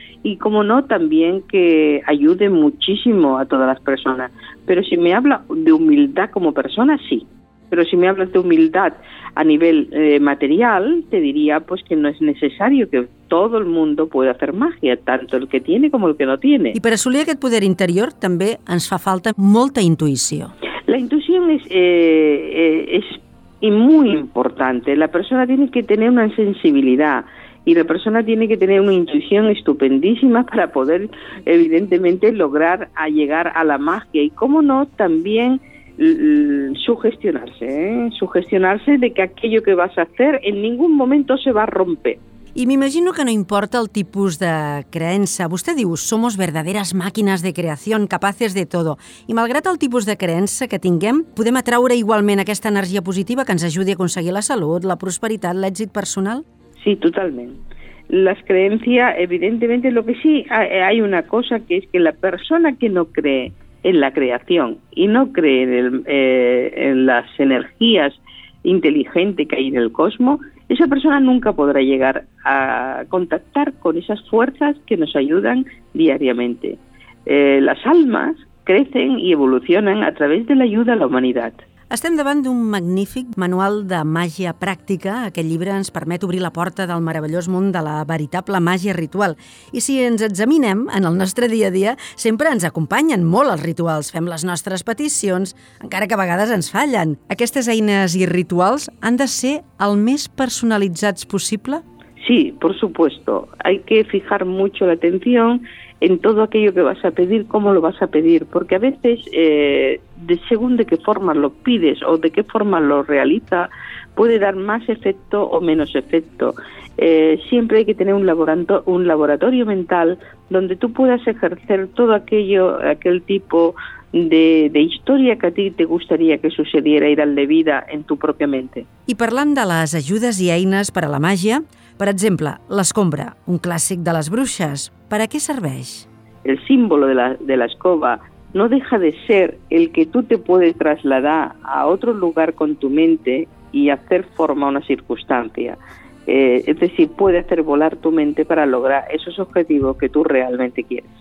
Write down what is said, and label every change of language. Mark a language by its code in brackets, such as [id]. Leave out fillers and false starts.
[es] Y, como no, también que ayude muchísimo a todas las personas. Pero si me habla de humildad como persona, sí. Pero si me hablas de humildad a nivel material, te diría pues que no es necesario, que todo el mundo pueda hacer magia, tanto el que tiene como el que no tiene. [ca] I per assolir aquest poder interior també ens fa falta molta intuïció. La intuïció [es] es muy importante. La persona tiene que tener una sensibilidad y la persona tiene que tener una intuición estupendísima para poder, evidentemente, lograr a llegar a la magia. Y, como no, también sugestionarse de que aquello que vas a hacer en ningún momento se va a romper. [ca] I m'imagino que no importa el tipus de creença. Vostè diu, [es] somos verdaderas máquinas de creación, capaces de todo. [ca] I malgrat el tipus de creença que tinguem, podem atraure igualment aquesta energia positiva que ens ajudi a aconseguir la salut, la prosperitat, l'èxit personal? Sí, totalment. [es] Las creencias, evidentemente, lo que sí hay una cosa, que es que la persona que no cree en la creación y no cree en las energías inteligentes que hay en el cosmos, esa persona nunca podrá llegar a contactar con esas fuerzas que nos ayudan diariamente. Las almas crecen y evolucionan a través de la ayuda a la humanidad. [ca] Estem davant d'un magnífic manual de màgia pràctica. Aquest llibre ens permet obrir la porta del meravellós món de la veritable màgia ritual. I si ens examinem, en el nostre dia a dia, sempre ens acompanyen molt els rituals. Fem les nostres peticions, encara que a vegades ens fallen. Aquestes eines i rituals han de ser el més personalitzats possible? [es] Sí, por supuesto. Hay que fijar mucho la atención en todo aquello que vas a pedir, cómo lo vas a pedir, porque a veces, según de qué forma lo pides o de qué forma lo realiza, puede dar más efecto o menos efecto. Siempre hay que tener un laboratorio mental donde tú puedas ejercer todo aquello, aquel tipo de historia que a ti te gustaría que sucediera y darle vida en tu propia mente. [ca] I parlant de les ajudes i eines per a la màgia, per exemple, l'escombra, un clàssic de les bruixes, per a què serveix? [es] El símbolo de la escoba no deja de ser el que tú te puedes trasladar a otro lugar con tu mente y hacer forma a una circunstancia. Es decir, puede hacer volar tu mente para lograr esos objetivos que tú realmente quieres.